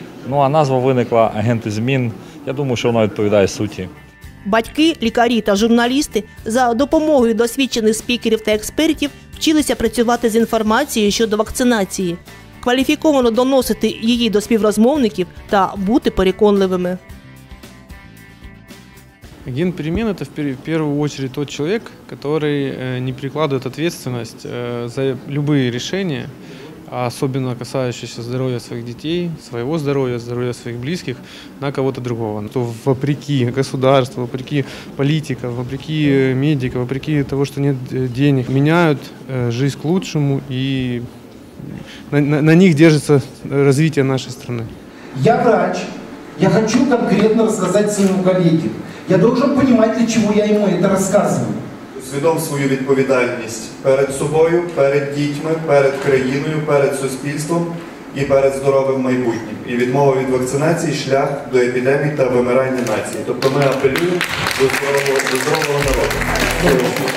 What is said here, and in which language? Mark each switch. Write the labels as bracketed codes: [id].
[uk] Ну а назва виникла «Агенти змін». Я думаю, що вона відповідає суті. Батьки, лікарі та журналісти за допомогою досвідчених спікерів та експертів вчилися працювати з інформацією щодо вакцинації, кваліфіковано доносити її до співрозмовників та бути переконливими. [ru] Агент перемен – это в первую очередь тот человек, который не перекладывает ответственность за любые решения, особенно касающиеся здоровья своих детей, своего здоровья, здоровья своих близких, на кого-то другого. То вопреки государству, вопреки политикам, вопреки медикам, вопреки того, что нет денег, меняют жизнь к лучшему, и на них держится развитие нашей страны. Я врач, я хочу конкретно рассказать своему коллеге. Я должен понимать, для чего я ему это рассказываю. [uk] Свідом свою відповідальність перед собою, перед дітьми, перед країною, перед суспільством і перед здоровим майбутнім. І відмова від вакцинації – шлях до епідемії та вимирання нації. Тобто ми апелюємо до здорового народу.